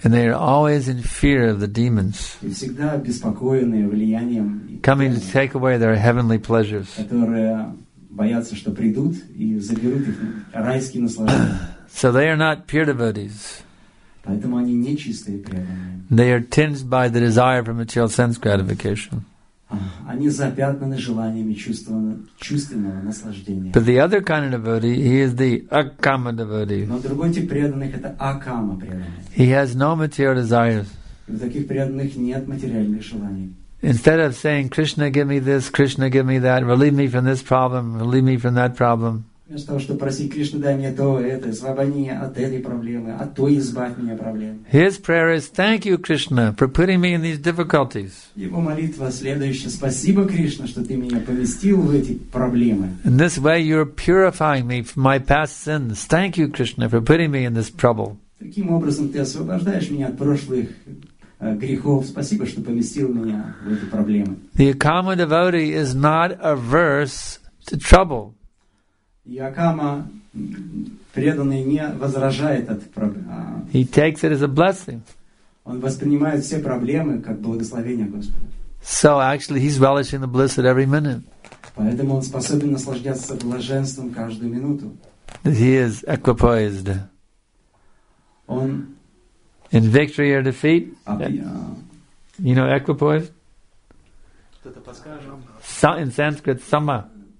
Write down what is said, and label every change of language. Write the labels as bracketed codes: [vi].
[en] And they are always in fear of the demons. [ru] И всегда беспокоенные влиянием. [en] Coming to take away their heavenly pleasures. [ru] Которые боятся, что придут и заберут их райские наслаждения. [en] So they are not pure devotees. [ru] Поэтому они не чистые преданные. [en] They are tinged by the desire for material sense gratification. [ru] Они запятнаны желаниями чувственного наслаждения. [en] But the other kind of devotee, he is the akama devotee. [ru] Но другой тип преданных — это акама преданный. [en] He has no material desires. [ru] У таких преданных нет материальных желаний. [en] Instead of saying, Krishna, give me this, Krishna, give me that, relieve me from this problem, relieve me from that problem. [ru] Вместо того, чтобы просить Кришну, дай мне то, это, освободи от этой проблемы, от той, избавь меня от проблем. [en] His prayer is, thank you, Krishna, for putting me in these difficulties. [ru] Его молитва следующая: спасибо, Кришна, что ты меня поместил в эти проблемы. [en] In this way you're purifying me from my past sins. Thank you, Krishna, for putting me in this trouble. [ru] Таким образом ты освобождаешь меня от прошлых грехов. Спасибо, что поместил меня в эти проблемы. [en] The Akama devotee is not averse to trouble. [ru] Якама преданный не возражает от проблем. [en] He takes it as a blessing. [ru] Он воспринимает все проблемы как благословение Господа. [en] So actually he's relishing the bliss at every minute. [ru] Поэтому он способен наслаждаться блаженством каждую минуту. [en] He is equipoised. [ru] Он [en] in victory or defeat. You know equipoised? [ru] Кто-то подскажет. [en] In Sanskrit, sama.